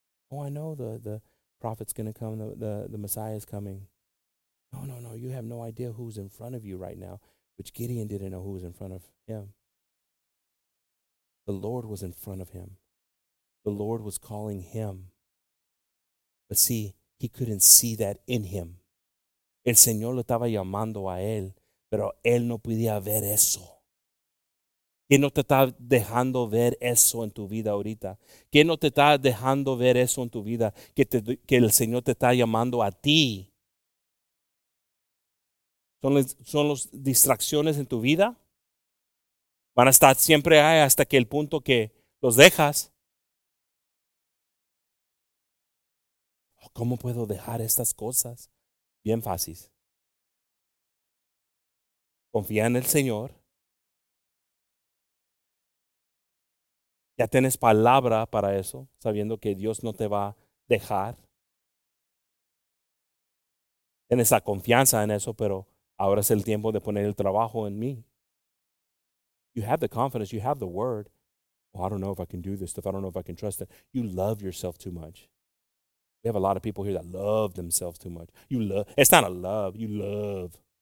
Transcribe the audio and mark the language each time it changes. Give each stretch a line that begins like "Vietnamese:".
English: Oh, I know the prophet's going to come. The Messiah's coming. No. You have no idea who's in front of you right now, which Gideon didn't know who was in front of him. The Lord was in front of him. The Lord was calling him. But see, he couldn't see that in him.
Spanish: El Señor lo estaba llamando a él, pero él no podía ver eso. ¿Quién no te está dejando ver eso en tu vida ahorita? ¿Quién no te está dejando ver eso en tu vida? Que el Señor te está llamando a ti. ¿Son las distracciones en tu vida? Van a estar siempre ahí hasta que el punto que los dejas. ¿Cómo puedo dejar estas cosas? Bien fácil. Confía en el Señor. Ya tienes palabra para eso, sabiendo que Dios no te va a dejar. Tienes la confianza en eso, pero ahora es el tiempo de poner el trabajo en mí.
English: You have the confidence, you have the word. Well, I don't know if I can do this stuff. I don't know if I can trust it. You love yourself too much. We have a lot of people here that love themselves too much. You love. It's not a love. You love.